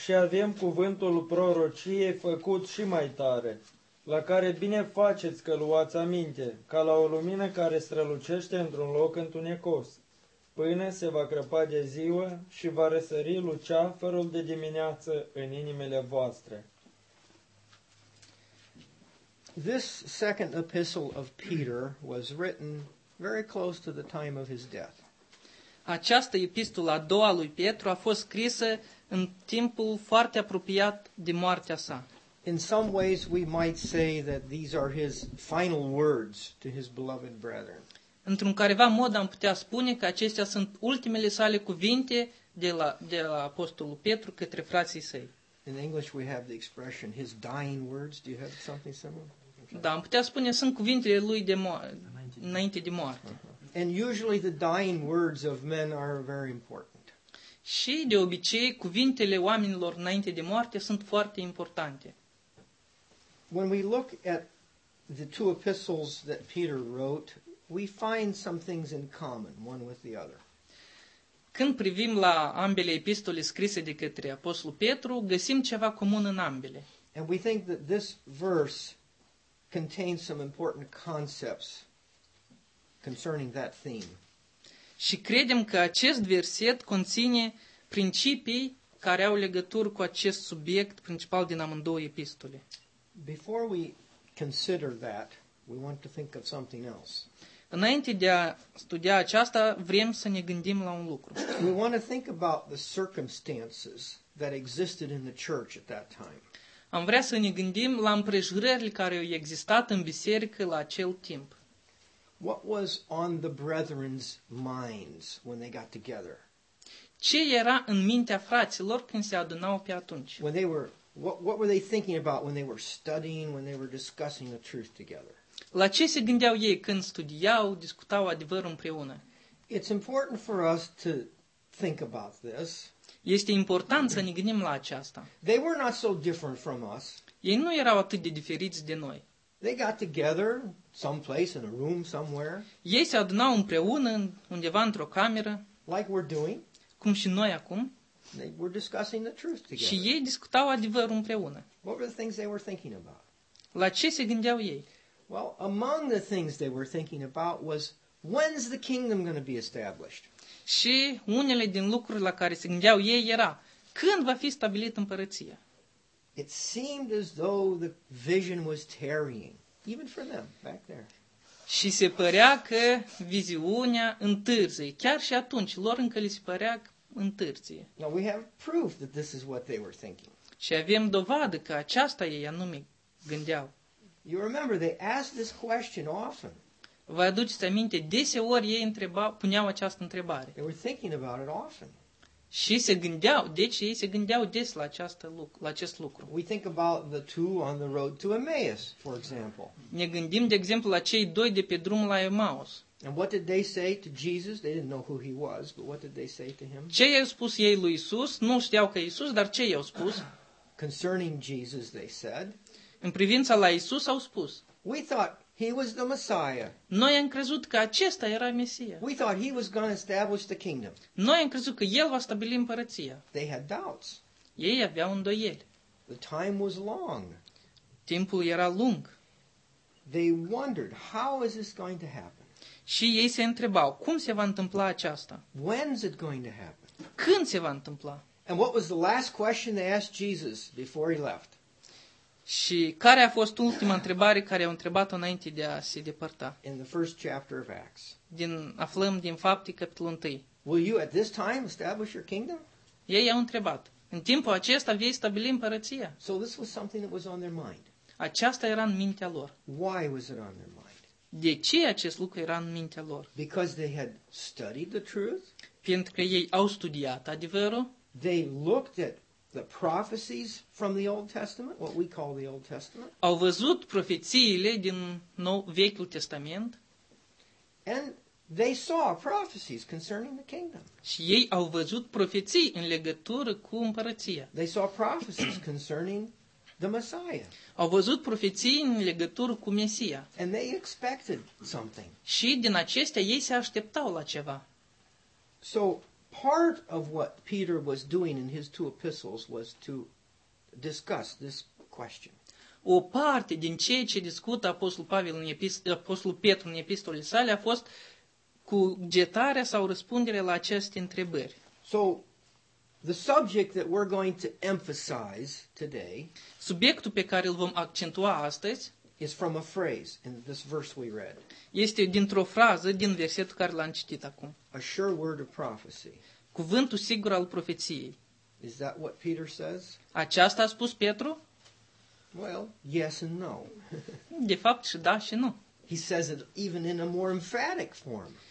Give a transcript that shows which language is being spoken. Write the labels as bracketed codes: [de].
[ro] Și avem cuvântul prorociei făcut și mai tare, la care bine faceți că luați aminte, ca la o lumină care strălucește într-un loc întunecos, până se va crăpa de ziua și va răsări luceafărul de dimineață în inimile voastre. [en] This second epistle of Peter was written very close to the time of his death. [ro] Această epistolă a doua lui Petru a fost scrisă în timpul foarte apropiat de moartea sa. [en] In some ways we might say that these are his final words to his beloved brethren. [ro] Într-un careva mod am putea spune că acestea sunt ultimele sale cuvinte de la apostolul Petru către frații săi. [en] In English we have the expression his dying words. Do you have something similar? Okay. [ro] Da, am putea spune sunt cuvintele lui înainte de moarte. Uh-huh. [en] And usually the dying words of men are very important. [ro] Și de obicei cuvintele oamenilor înainte de moarte sunt foarte importante. [en] When we look at the two epistles that Peter wrote, we find some things in common one with the other. [ro] Când privim la ambele epistole scrise de către apostolul Petru, găsim ceva comun în ambele. [en] And we think that this verse contains some important concepts concerning that theme. [ro] Și credem că acest verset conține principii care au legătură cu acest subiect principal din amândouă epistole. [en] Before we consider that, we want to think of something else. [ro] Înainte de a studia aceasta, vrem să ne gândim la un lucru. [en] We want to think about the circumstances that existed in the church at that time. [ro] Am vrea să ne gândim la împrejurările care au existat în biserică la acel timp. [en] What was on the brethren's minds when they got together? [ro] Ce era în mintea fraților când se adunau pe atunci? [en] When they were what were they thinking about when they were studying, when they were discussing the truth together? [ro] La ce se gândeau ei când studiau, discutau adevărul împreună? [en] It's important for us to think about this. [ro] Este important să ne gândim la aceasta. [en] They were not so different from us. [ro] Ei nu erau atât de diferiți de noi. [en] They got together someplace in a room somewhere. [ro] Ei se adunau împreună undeva într-o cameră. [en] Like we're doing. [ro] Cum și noi acum. [en] They were discussing the truth together. [ro] Și ei discutau adevărul împreună. [en] What were the things they were thinking about? [ro] La ce se gândeau ei? [en] Well, among the things they were thinking about was when's the kingdom going to be established? [ro] Și unele din lucrurile la care se gândeau ei era când va fi stabilită împărăția. [en] It seemed as though the vision was tarrying, even for them back there. [ro] Și se părea că viziunea întârzie, chiar și atunci lor încă li se părea întârzie. [en] Now we have proof that this is what they were thinking. [ro] Și avem dovadă că aceasta ei anume gândeau. [en] You remember they asked this question often. [ro] Vă aduceți aminte, deseori ei puneau această întrebare. [en] They were thinking about it often. [ro] Și se gândeau, deci ei se gândeau des la acest lucru. [en] We think about the two on the road to Emmaus, for example. [ro] Ne gândim, de exemplu, la cei doi de pe drumul la Emmaus. [en] And what did they say to Jesus? They didn't know who he was, but what did they say to him? [ro] Ce i-au spus ei lui Isus? Nu știau că Isus, dar ce i-au spus? [en] Concerning Jesus, they said. [ro] În privința la Isus au spus. [en] We thought he was the Messiah. [ro] Noi am crezut că acesta era Mesia. [en] We thought he was going to establish the kingdom. [ro] Noi am crezut că el va stabili împărăția. [en] They had doubts. [ro] Ei aveau îndoieli. [en] The time was long. [ro] Timpul era lung. [en] They wondered, how is this going to happen? [ro] Și ei se întrebau, cum se va întâmpla aceasta? [en] When is it going to happen? [ro] Când se va întâmpla? [en] And what was the last question they asked Jesus before he left? [ro] Și care a fost ultima întrebare care au întrebat-o înainte de a se depărta? [en] In the first chapter of Acts. [ro] Din, aflăm din Fapte, capitolul 1. [en] Will you at this time establish your kingdom? [ro] Ei au întrebat, în timpul acesta vei stabili împărăția? [en] So this was something that was on their mind. [ro] Aceasta era în mintea lor. [en] Why was it on their mind? [ro] De ce acest lucru era în mintea lor? [en] Because they had studied the truth. [ro] Pentru că ei au studiat adevărul. [en] They looked at the prophecies from the Old Testament, what we call the Old Testament. [ro] Au văzut profețiile din nou, Vechiul Testament. [en] And they saw prophecies concerning the kingdom. [ro] Și ei au văzut profeții în legătură cu împărăția. [en] They saw prophecies concerning the Messiah. [ro] Au văzut profeții în legătură cu Mesia. [en] And they expected something. [ro] Și din acestea ei se așteptau la ceva. [en] So part of what Peter was doing in his two epistles was to discuss this question. [ro] O parte din ceea ce discută apostolul Pavel în apostolul Petru în epistolele sale a fost cugetarea sau răspunderea la aceste întrebări. [en] So the subject that we're going to emphasize today, [ro] subiectul pe care îl vom accentua astăzi, [en] is from a phrase in this verse we read. [ro] Este dintr-o frază din versetul care l-am citit acum. [en] A sure word of prophecy. [ro] Cuvântul sigur al profeției. [en] Is that what Peter says? [ro] Aceasta a spus Petru? [en] Well, yes and no. [ro] De fapt, și da și nu. [en] He says it even in a more emphatic form.